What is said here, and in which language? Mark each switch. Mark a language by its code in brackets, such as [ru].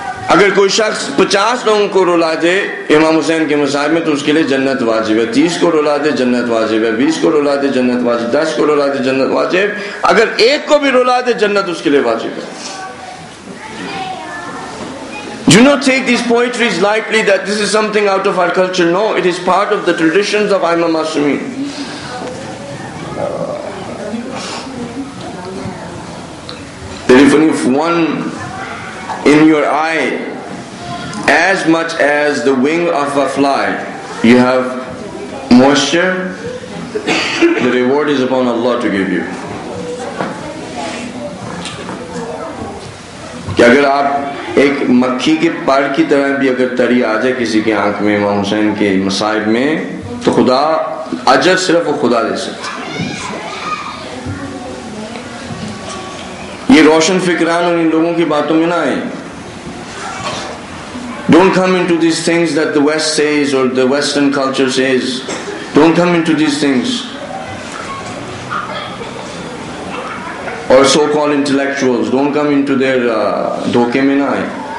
[ur] اگر کوئی شخص 50 لوگوں کو رولا دے امام حسین کے مصاحب میں تو اس کے لیے جنت واجب ہے. 30 کو رولا دے جنت واجب ہے. 20 کو رولا دے جنت واجب. 10 کو رولا دے جنت واجب. اگر ایک کو بھی رولا دے جنت اس کے لیے واجب ہے. [en] Do not take these poetries lightly that this is something out of our culture. No, it is part of the traditions of Imam Masumi. Even if one in your eye, as much as the wing of a fly, you have moisture, the reward is upon Allah to give you. [ur] کہ اگر آپ ایک مکھی کے پر کی طرح بھی اگر تری آ جائے کسی کی آنکھ میں امام حسین کے مصائب میں, تو خدا اجر صرف وہ خدا دے سکتا. یہ روشن فکران اور ان لوگوں کی باتوں میں نہ آئے. [en] Don't come into these things that the West says or the Western culture says. Don't come into these things. Or so-called intellectuals, don't come into their [ur] dhoke mein aaye.